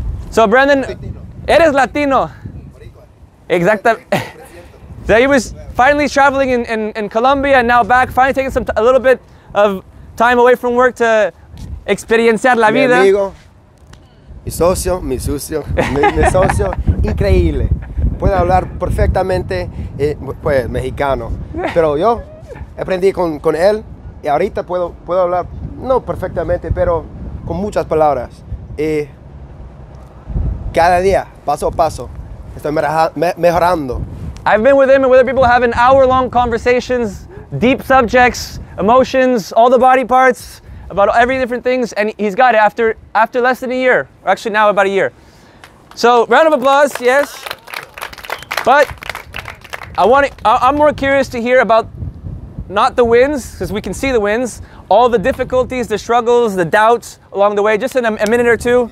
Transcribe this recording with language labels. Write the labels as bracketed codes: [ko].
[en] So [es] Brendan, eres Latino. Exactamente. [en] So he was finally traveling in Colombia and now back, finally taking a little bit of time away from work to [es] experienciar la vida. Mi amigo, mi socio, mi socio, increíble. Puede hablar perfectamente pues mexicano. Pero yo aprendí con él y ahorita puedo hablar. No perfectamente, pero con muchas palabras. Y cada día, paso a paso, estoy mejorando. [en] I've been with him and with other people having hour-long conversations, deep subjects, emotions, all the body parts, about every different things, and he's got it after less than a year, or actually now about a year. So round of applause, yes. But I'm more curious to hear about not the wins, because we can see the wins, all the difficulties, the struggles, the doubts along the way, just in a minute or two.